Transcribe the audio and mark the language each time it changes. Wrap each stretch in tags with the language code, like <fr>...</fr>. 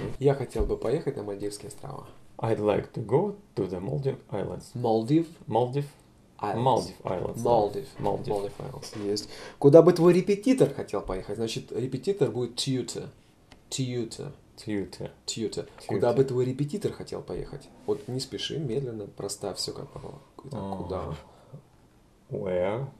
<ru>Я хотел бы поехать на Мальдивские острова.</ru> <en>I'd like to go to the Maldive Islands. Maldive. Maldive. Islands. Maldive Islands. Maldive.</en> <ru>Да.</ru> <en>Maldive. Maldive. Maldive Islands.</en> <ru>Есть. Куда бы твой репетитор хотел поехать? Значит, репетитор будет tutor.</ru> <en>Tutor. Tutor. Tutor. Tutor.</en> <ru>Куда бы твой репетитор хотел поехать? Вот не спеши, медленно, проставь все как было. Куда?</ru> <en>Where?</en>